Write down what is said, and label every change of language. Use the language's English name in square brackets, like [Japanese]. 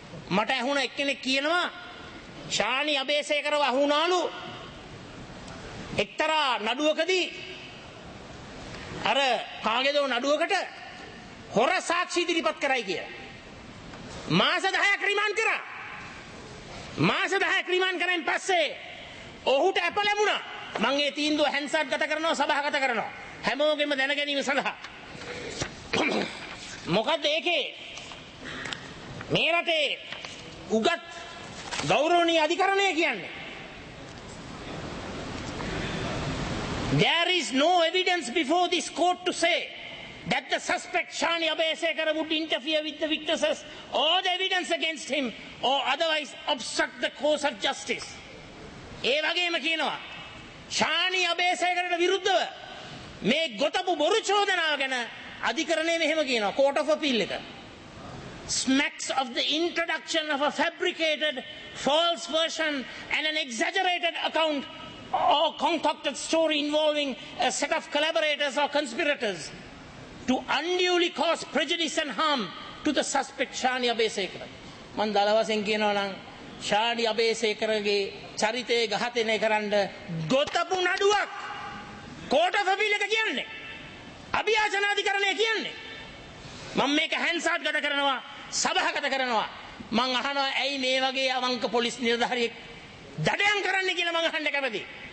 [Sinhala] මට ඇහුණ එක්කෙනෙක් කියනවා ශානි අබේසේකරව අහුණාලු එක්තරා නඩුවකදී, අර කාගේදෝ නඩුවකට හොර සාක්ෂි ඉදිරිපත් කරයි කියලා. මාස 10ක් රිමාන්ඩ් කරා. මාස 10ක් රිමාන්ඩ් කරන් පස්සේ ඔහුට ඇප ලැබුණා. මම ඒ තීන්දුව හැන්සඩ් ගත කරනවා, සභාගත කරනවා හැමෝගෙම දැන ගැනීම සඳහා. මොකද ඒකේ මේ රටේ උගත් ගෞරවනීය අධිකරණය කියන්නේ [English] There is no evidence before this court to say that the suspect Shani Abeysekara would interfere with the witnesses or the evidence against him or otherwise obstruct the course of justice. [Sinhala] ඒ වගේම කියනවා ශානි අබේසේකරට විරුද්ධව මේ ගොතපු බොරු චෝදනාව ගැන අධිකරණය මෙහෙම කියනවා, court of appeal එක. [English] Smacks of the introduction of a fabricated false version and an exaggerated account or concocted story involving a set of collaborators or conspirators to unduly cause prejudice and harm to the suspect Shani Abeysekara. [Sinhala] මන් දලවසෙන් කියනවා නම් ශානි අබේසේකරගේ චරිතයේ ඝාතනය කරන්න ගොතපු නඩුවක් coat of appeal එක කියන්නේ, අභියාචන අධිකරණය කියන්නේ. මම මේක හැන්සඩ් ගත කරනවා, සභාගත කරනවා. මම අහනවා ඇයි මේ වගේ අවංක පොලිස් නිලධාරියෙක් දඩයම් කරන්නේ කියලා මම අහන්න කැමතියි.